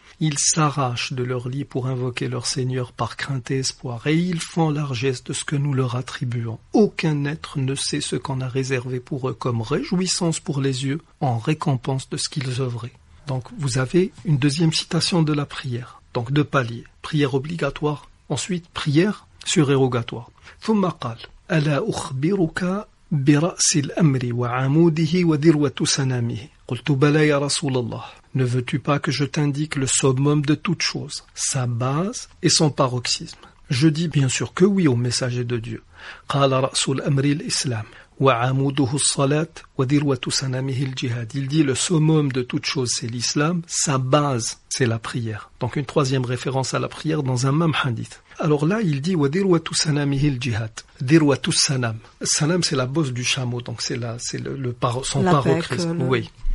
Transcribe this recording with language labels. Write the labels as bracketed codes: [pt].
[fr] Ils s'arrachent de leur lit pour invoquer leur Seigneur par crainte et espoir, et ils font largesse de ce que nous leur attribuons. Aucun être ne sait ce qu'on a réservé pour eux comme réjouissance pour les yeux en récompense de ce qu'ils œuvraient. » Donc vous avez une deuxième citation de la prière, donc deux paliers, prière obligatoire, ensuite prière surérogatoire. [ar] « ثم قال, ألا أخبرك برأس الأمر وعموده وذروة سنامه. قلت بلى يا رسول الله. [fr] Ne veux-tu pas que je t'indique le summum de toute chose, sa base et son paroxysme ? Je dis bien sûr que oui au messager de Dieu. [ar] قال رأس الأمر الإسلام وعموده الصلاة وذروة سنامه الجهاد. [fr] Il dit le summum de toute chose c'est l'islam, sa base c'est la prière. Donc une troisième référence à la prière dans un même hadith. Alors là, il dit « [ar] وَدِرْوَةُ سَنَامِهِ الْجِهَادِ ». دِرْوَةُ السَّنَامِ. [fr] Sanam, c'est la bosse du chameau, donc c'est, la, c'est le par, son paroxysme. Le... Oui.